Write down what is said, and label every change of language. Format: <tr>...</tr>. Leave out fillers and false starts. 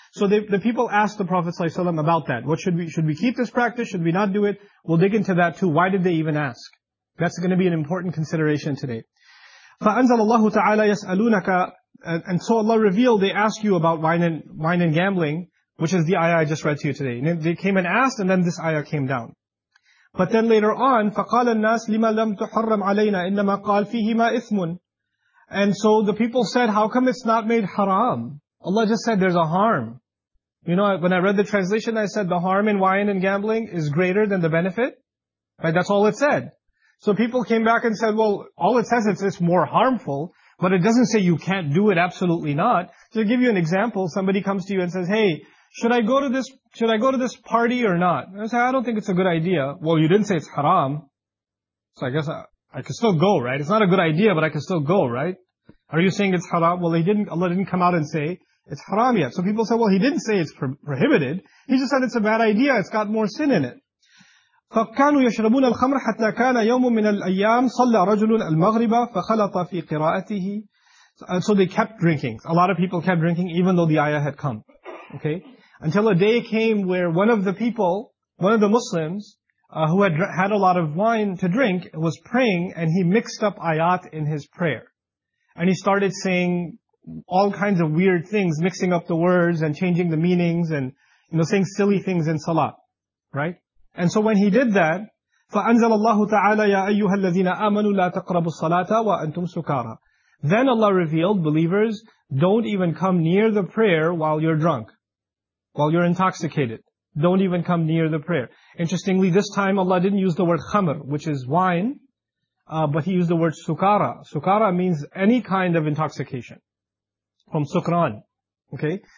<en>So the people asked the Prophet ﷺ about that. What should we keep this practice? Should we not do it? We'll dig into that too. Why did they even ask? That's going to be an important consideration today.</en> <ar>فَأَنْزَلَ اللَّهُ تَعَالَى يَسْأَلُونَكَ.</ar> <en>And so Allah revealed, they ask you about wine and gambling, which is the ayah I just read to you today. And they came and asked, and then this ayah came down. But then later on,</en> <ar>فَقَالَ النَّاسِ لِمَا لَمْ تُحَرَّمْ عَلَيْنَا إِنَّمَا قَالْ فِيهِمَا إِثْمٌ.</ar> <en>And so the people said, how come it's not made haram? Allah just said there's a harm. You know, when I read the translation, I said the harm in wine and gambling is greater than the benefit. Right? That's all it said. So people came back and said, well, all it says is it's more harmful, but it doesn't say you can't do it, absolutely not. So to give you an example, somebody comes to you and says, hey, Should I go to this party or not? And I say, I don't think it's a good idea. Well, you didn't say it's haram. So I guess I could still go, right? It's not a good idea, but I could still go, right? Are you saying it's haram? Well, Allah didn't come out and say it's haram yet. So people say, well, he didn't say it's prohibited. He just said it's a bad idea. It's got more sin in it.</en> <ar>فكانوا يشربون الخمر حتى كان يوم من الأيام صلى رجل المغرب فخلط في قراءته.</ar> <en>So they kept drinking. A lot of people kept drinking even though the ayah had come. Okay? Until a day came where one of the people, one of the Muslims, who had had a lot of wine to drink, was praying and he mixed up ayat in his prayer. And he started saying all kinds of weird things, mixing up the words and changing the meanings and, you know, saying silly things in salah. Right? And so when he did that,</en> <ar>فَأَنزَلَ اللَّهُ تَعَالَى يَا أَيُّهَا الَّذِينَ آمَنُوا لَا تَقْرَبُوا الصَّلَاةَ وَأَنْتُمْ سُكَارَى.</ar> <en>Then Allah revealed, believers, don't even come near the prayer while you're drunk, while you're intoxicated. Don't even come near the prayer. Interestingly, this time Allah didn't use the word khamr, which is wine, but He used the word sukara. Sukara means any kind of intoxication, from sukran. Okay?</en>